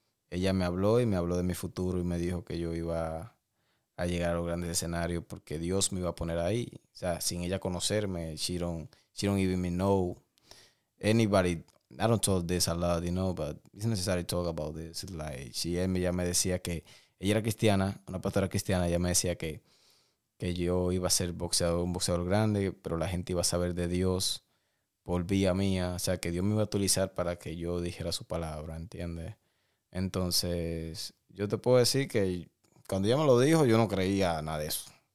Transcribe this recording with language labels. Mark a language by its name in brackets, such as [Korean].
[Spanish] Ella me habló y me habló de mi futuro y me dijo que yo iba a llegar a los grandes escenarios porque Dios me iba a poner ahí. O sea, sin ella conocerme, [English] she don't even know anybody. I don't talk this a lot, you know, but it's necessary to talk about this. [Spanish] Like, ella me decía que, ella era cristiana, una pastora cristiana, ella me decía que yo iba a ser boxeador, un boxeador grande, pero la gente iba a saber de Dios por vía mía. O sea, que Dios me iba a utilizar para que yo dijera su palabra, ¿entiendes? Entonces, yo te puedo decir que cuando ella me lo dijo, yo no creía nada de eso.